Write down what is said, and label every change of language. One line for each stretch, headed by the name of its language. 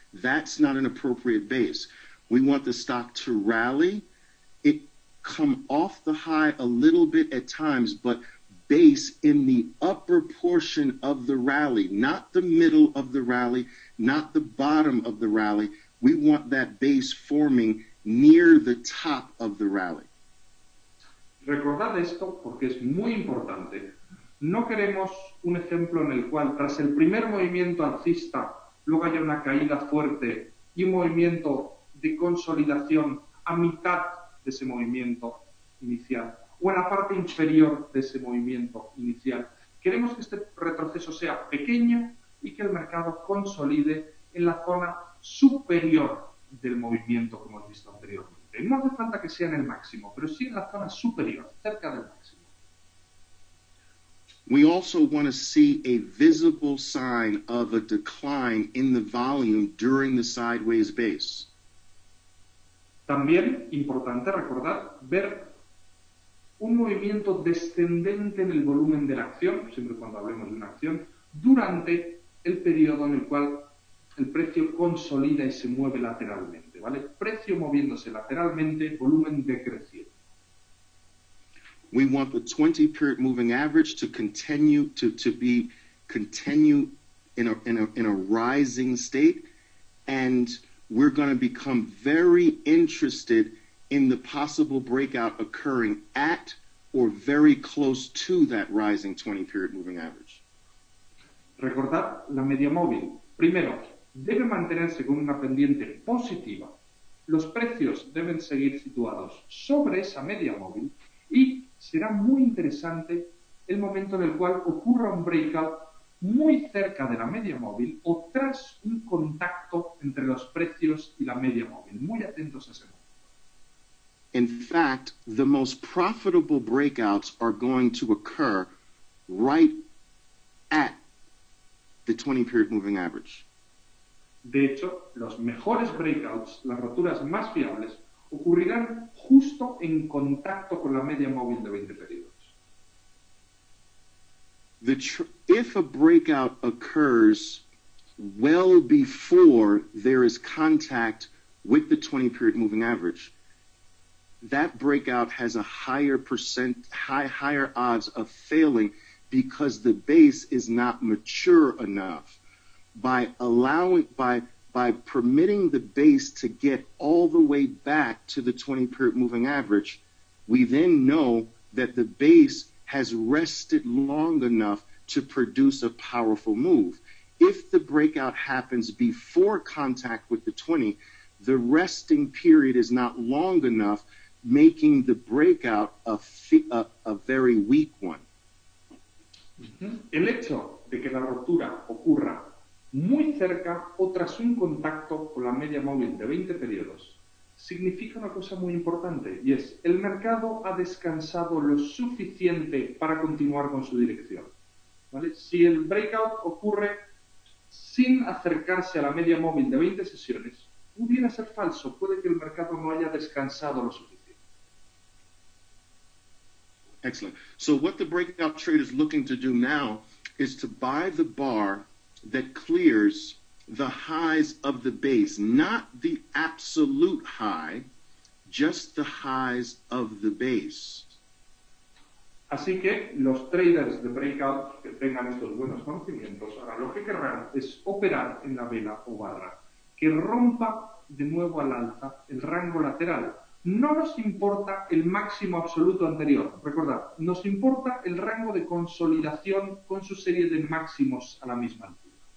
English: That's not an appropriate base. We want the stock to rally, it come off the high a little bit at times, but base in the upper portion of the rally, not the middle of the rally, not the bottom of the rally. We want that base forming near the top of the rally.
Spanish: Recordad esto porque es muy importante. No queremos un ejemplo en el cual tras el primer movimiento alcista luego haya una caída fuerte y un movimiento de consolidación a mitad de ese movimiento inicial o en la parte inferior de ese movimiento inicial. Queremos que este retroceso sea pequeño y que el mercado consolide en la zona superior del movimiento como hemos visto anteriormente. No hace falta que sea en el máximo, pero sí en la zona superior, cerca del máximo.
English: We also want to see a visible sign of a decline in the volume during the sideways base.
Spanish: También importante recordar ver un movimiento descendente en el volumen de la acción, siempre cuando hablemos de una acción, durante el periodo en el cual el precio consolida y se mueve lateralmente, ¿vale? Precio moviéndose lateralmente, volumen decreciendo.
English: We want the 20 period moving average to continue to be in a rising state, and we're going to become very interested in the possible breakout occurring at or very close to that rising 20 period moving average.
Spanish: Recordad, la media móvil, primero, debe mantenerse con una pendiente positiva. Los precios deben seguir situados sobre esa media móvil y será muy interesante el momento en el cual ocurra un breakout muy cerca de la media móvil o tras un contacto entre los precios y la media móvil. Muy atentos a ese momento.
English: In fact, the most profitable breakouts are going to occur right at the 20 period moving average.
Spanish: De hecho, los mejores breakouts, las roturas más fiables, ocurrirán justo en contacto con la media móvil de 20 periodos.
English: If a breakout occurs well before there is contact with the 20 period moving average, that breakout has a higher percent, higher odds of failing because the base is not mature enough. By permitting the base to get all the way back to the 20 period moving average, we then know that the base has rested long enough to produce a powerful move. If the breakout happens before contact with the 20, the resting period is not long enough, making the breakout a very weak one.
Spanish: El hecho de que la ruptura ocurra muy cerca o tras un contacto con la media móvil de 20 periodos, significa una cosa muy importante, y es, el mercado ha descansado lo suficiente para continuar con su dirección, ¿vale? Si el breakout ocurre sin acercarse a la media móvil de 20 sesiones, pudiera ser falso, puede que el mercado no haya descansado lo suficiente.
English: Excellent. So what the breakout trade is looking to do now is to buy the bar that clears the highs of the base, not the absolute high, just the highs of the base.
Spanish: Así que los traders de breakout que tengan estos buenos conocimientos, ahora lo que querrán es operar en la vela o barra que rompa de nuevo al alza el rango lateral. No nos importa el máximo absoluto anterior, recordad, nos importa el rango de consolidación con su serie de máximos a la misma altura.